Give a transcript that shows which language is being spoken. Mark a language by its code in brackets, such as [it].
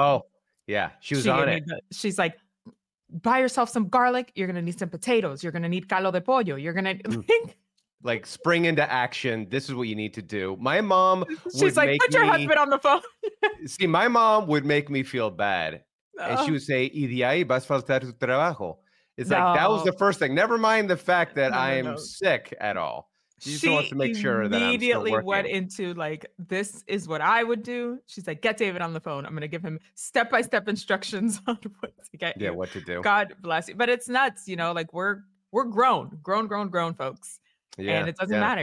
[en] Oh, yeah. She was on it. She's like, buy yourself some garlic. You're going to need some potatoes. You're going to need caldo de pollo. You're going to spring into action. This is what you need to do. My mom, she's would like, make put your husband on the phone. See, my mom would make me feel bad. And she would say, [es] y de ahí vas a faltar tu trabajo. [en] It's like, that was the first thing. Never mind the fact that I'm sick at all. She just wants to make sure that I'm still working. She immediately went into, like, this is what I would do. She's like, get David on the phone. I'm going to give him step-by-step instructions on what to get. Yeah, what to do. God bless you. But it's nuts, you know, like, we're grown folks. Yeah, and it doesn't matter.